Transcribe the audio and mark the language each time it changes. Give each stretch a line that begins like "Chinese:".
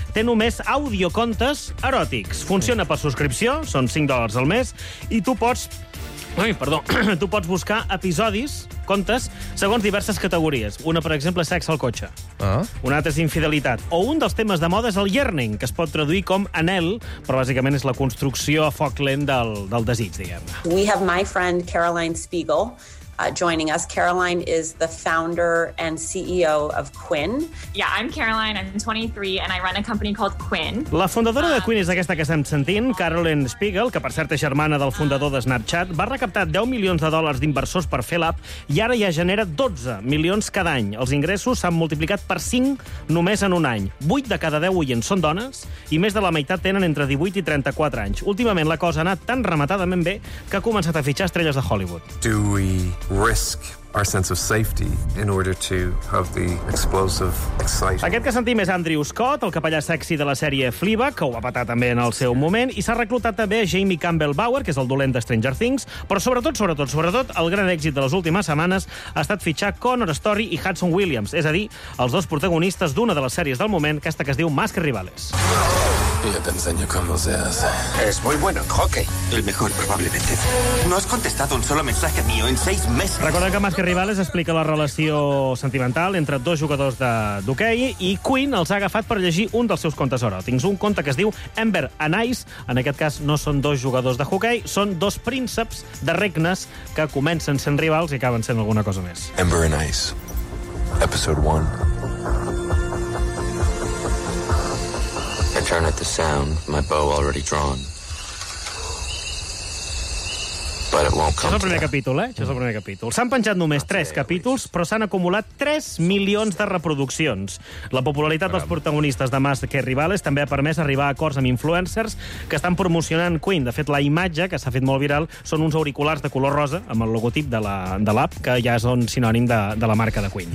Catalan: Té només audiocontes eròtics. Funciona per subscripció, són $5 al mes, i tu pots... Ai, perdó. Tu pots buscar episodis, contes, segons diverses categories. Una, per exemple, és sexe al cotxe. Ah. Una altra és infidelitat. O un dels temes de moda és el yearning, que es pot traduir com anhel, però bàsicament és la construcció a foc lent del desig, diguem-ne.
English: We have my friend Caroline Spiegel joining us. Caroline is the founder and CEO of Quinn. Yeah, I'm Caroline, I'm 23, and I run a company called Quinn.
Catalan: La fundadora de Quinn és aquesta que estem sentint, Caroline Spiegel, que per cert és germana del fundador de Snapchat, va recaptar 10 milions de dòlars d'inversors per fer l'app, i ara ja genera 12 milions cada any. Els ingressos s'han multiplicat per 5 només en un any. 8 de cada 10 oients són dones, i més de la meitat tenen entre 18 i 34 anys. Últimament la cosa ha anat tan rematadament bé que ha començat a fitxar estrelles de Hollywood.
English: Do we risk our sense of safety in order to have the explosive excitement.
Catalan: Aquest que sentim és Andrew Scott, el capellà sexy de la sèrie Fleabag, que ho va patar també en el seu moment, i s'ha reclutat també Jamie Campbell Bauer, que és el dolent de Stranger Things, però sobretot, el gran èxit de les últimes setmanes ha estat fitxar Connor Story i Hudson Williams, és a dir, els dos protagonistes d'una de les sèries del moment, aquesta que es diu Más que rivales.
Spanish: Yo te enseño cómo se hace. Es muy bueno en hockey. El mejor, probablemente. No has contestado un solo mensaje mío en 6 meses.
Catalan: Recordem que Más que rivales explica la relació sentimental entre dos jugadors d'hoquei, i Queen els ha agafat per llegir un dels seus contes eròtics. Un conte que es diu Amber and Ice. En aquest cas no són dos jugadors de hoquei, són dos prínceps de regnes que comencen sent rivals i acaben sent alguna cosa més.
English: Amber and Ice, episode 1. Turn at the sound, my bow already drawn.
Catalan: Això és el primer capítol, eh? Això és el primer capítol. S'han penjat només 3 capítols, però s'han acumulat 3 milions de reproduccions. La popularitat dels protagonistes de Masked Rivals també ha permès arribar a acords amb influencers que estan promocionant Queen. De fet, la imatge, que s'ha fet molt viral, són uns auriculars de color rosa amb el logotip de l'app, que ja és un sinònim de la marca de Queen.